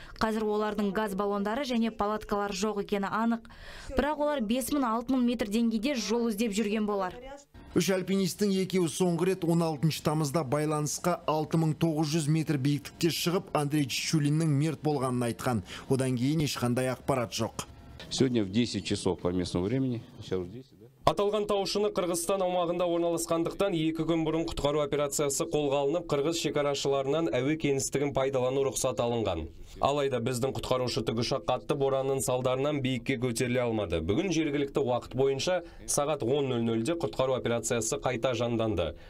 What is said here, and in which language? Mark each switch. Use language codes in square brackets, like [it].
[kk] Қазір олардың газ баллондары және палаткалар жоқ екені анық. Бірақ олар 5000-6000 метр деңгейде жол іздеп жүрген болар. Үш альпинистің екеуі соңғы рет 16 тамызда байланысқа 6900 метр биіктікте шығып, Андрей Чичулиннің мерт болғанын айтқан. Одан кейін ешқандай ақпарат жоқ. [ru] Сегодня в 10 часов по местному времени. [kk] Аталған таушыны Қырғызстан аумағында орналасқандықтан екі күн бұрын құтқару операциясы қолға алынып, қырғыз шекарашыларынан әуе кеңістігін пайдалану рұқсат алынған. Алайда біздің құтқарушы тікұшақ қатты боранның салдарынан биікке көтеріле алмады. Бүгін жергілікті уақыт бойынша сағат 10:00-де құтқару операциясы қайта жанданды.